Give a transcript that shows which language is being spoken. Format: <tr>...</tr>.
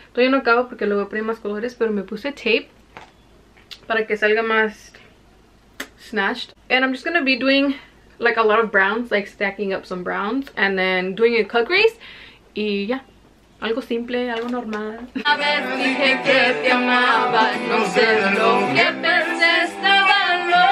<es>Todavía no acabo porque luego voy a poner más colores, pero me puse tape para que salga más snatched.</es> <en>And I'm just gonna be doing like a lot of browns, like stacking up some browns and then doing a cut crease.</en> <es>Y ya. Algo simple, algo normal. A ver, dije que te amaba, no sé lo que pensé.</es>